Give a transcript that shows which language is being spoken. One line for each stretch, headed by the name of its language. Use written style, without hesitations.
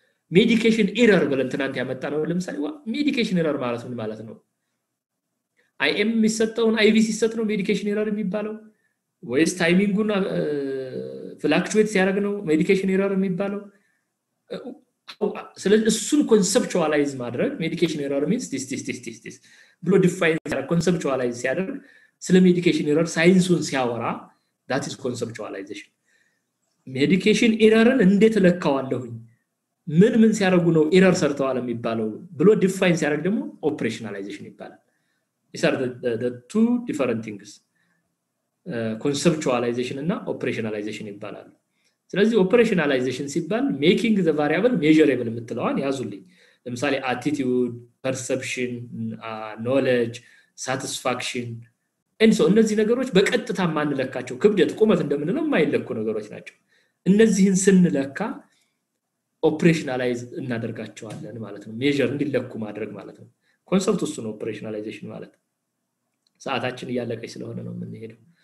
Amharic: medication error ብለን እንትናንት ያመጣነው ለምሳሌ medication error ማለት ምን ማለት ነው? IM ሲሰጠውን IV ሲሰጥ ነው medication error የሚባለው? ወይስ ታይሚንጉን ፍላክቹዌት ሲያደርግ ነው medication error የሚባለው? ስለዚህ እሱን conceptualize ማድረግ
English: medication error means this this
Amharic: this this this ብሎ define ያደርግ conceptualize ሲያደርግ ስለ medication error ሳይንሱን ሲያወራ
English: that is conceptualization.
Amharic: medication errorን እንዴት ለካዋለሁኝ? ምን ምን ሲያደርጉ ነው error ሰርተዋል የሚባለው? ብሎ define ሲያደርግ ደግሞ operationalization ይባላል.
English: These are the two different things.
Amharic: conceptualization እና operationalization ይባላሉ. ስለዚህ operationalization ሲባል
English: making the variable measurable
Amharic: የምትለዋን ያዙልኝ. ለምሳሌ attitude, perception, knowledge, satisfaction እንሶ እነዚህ ነገሮች በቀጥታ ማንለካቸው ክብደት ቁመት እንደምንለው ማይለኩ ነገሮች ናቸው እነዚህን سنለካ ኦፕሬሽናላይዝ እናደርጋቸዋለን ማለት ነው ሜጀር እንዲለኩ ማድረግ ማለት ነው ኮንሰፕት እሱ ነው ኦፕሬሽናላይዜሽን ማለት ሰዓታችን ያለቀይ ስለሆነ ነው ምን ይሄደው